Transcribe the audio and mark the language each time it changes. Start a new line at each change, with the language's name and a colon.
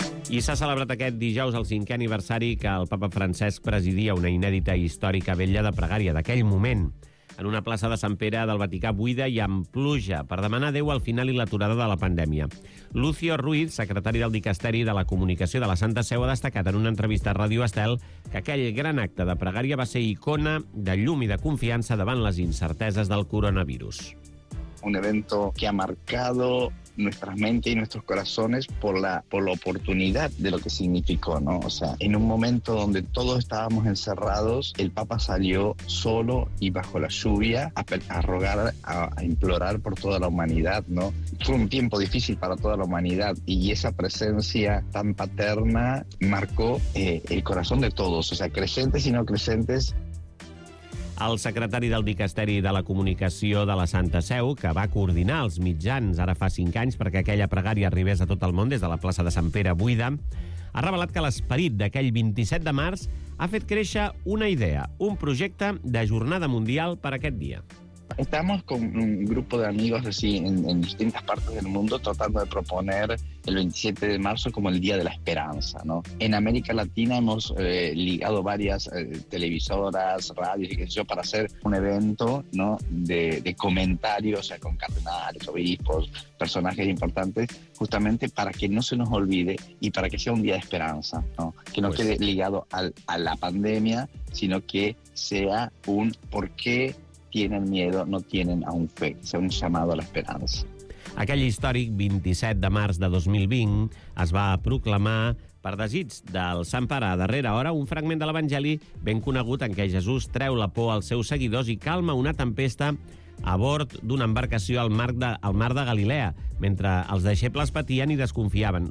Catalan: I s'ha celebrat aquest dijous el 5è aniversari que el papa Francesc presidia una inèdita històrica vetlla de pregària d'aquell moment, en una plaça de Sant Pere del Vaticà buida i amb pluja, per demanar Déu al final i l'aturada de la pandèmia. Lucio Ruiz, secretari del Dicasteri de la Comunicació de la Santa Seu, ha destacat en una entrevista a Ràdio Estel que aquell gran acte de pregària va ser icona de llum i de confiança davant les incerteses del coronavirus.
Spanish: Un evento que ha marcado nuestras mentes y nuestros corazones por la oportunidad de lo que significó, ¿no? O sea, en un momento donde todos estábamos encerrados, el Papa salió solo y bajo la lluvia a rogar, a implorar por toda la humanidad, ¿no? Fue un tiempo difícil para toda la humanidad y esa presencia tan paterna marcó el corazón de todos, o sea, creyentes y no creyentes.
Catalan: El secretari del Dicasteri de la Comunicació de la Santa Seu, que va coordinar els mitjans ara fa 5 anys perquè aquella pregària arribés a tot el món des de la plaça de Sant Pere buida, ha revelat que l'esperit d'aquell 27 de març ha fet créixer una idea, un projecte de jornada mundial per aquest dia.
Spanish: Estamos con un grupo de amigos así en distintas partes del mundo tratando de proponer el 27 de marzo como el Día de la Esperanza, ¿no? En América Latina hemos ligado varias televisoras, radios y qué sé yo, para hacer un evento, ¿no? De comentarios, o sea, con cardenales, obispos, personajes importantes, justamente para que no se nos olvide y para que sea un día de esperanza, ¿no? Que no pues quede ligado a la pandemia, sino que sea un por qué tienen miedo, no tienen aún fe, sea un llamado a la esperanza.
Catalan: Aquell històric 27 de març de 2020 es va proclamar per desig del Sant Pare a darrera hora un fragment de l'Evangeli ben conegut en què Jesús treu la por als seus seguidors i calma una tempesta a bord d'una embarcació al mar de Galilea, mentre els deixebles patien i desconfiaven.